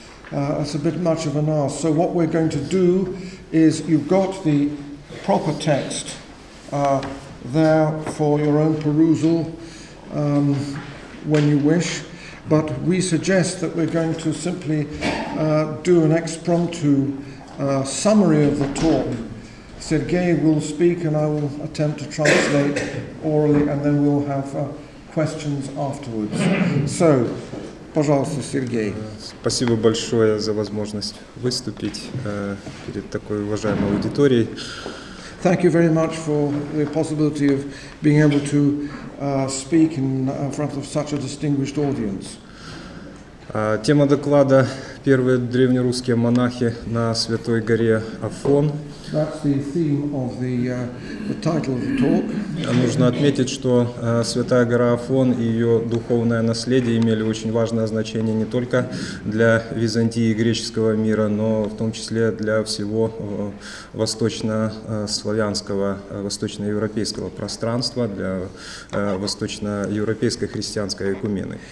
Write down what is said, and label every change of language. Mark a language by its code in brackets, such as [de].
[en] That's a bit much of an ask. So what we're going to do is, you've got the proper text there for your own perusal when you wish, but we suggest that we're going to simply do an impromptu summary of the talk. Sergey will speak and I will attempt to translate orally, and then we'll have questions afterwards. So, [ru] пожалуйста, [en] Сергей. [ru] Спасибо большое за возможность выступить перед такой уважаемой аудиторией. [en] Thank you very much for the possibility of being able to speak in front of such a distinguished audience. [ru] Тема доклада: первые древнерусские монахи на Святой горе Афон. [en] That's the theme of the title of the talk. [ru] Нужно отметить, что Святая гора Афон и ее духовное наследие имели очень важное значение не только для Византии и греческого мира, но в том числе для всего восточнославянского, восточноевропейского пространства, для восточноевропейской христианской экумены.